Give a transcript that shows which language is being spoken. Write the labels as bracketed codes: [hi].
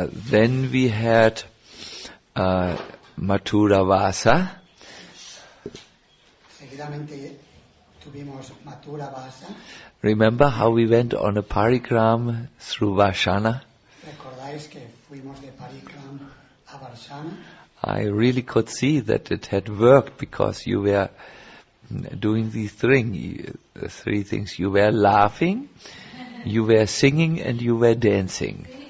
[en] Then we had Mathura Vasa. [es] Seguidamente tuvimos Mathura Vasa. [en] Remember how we went on a parikram through Varshana? [es] ¿Recordáis que fuimos de parikram a Varshana? [en] I really could see that it had worked because you were doing three things. You were laughing, you were singing, and you were dancing.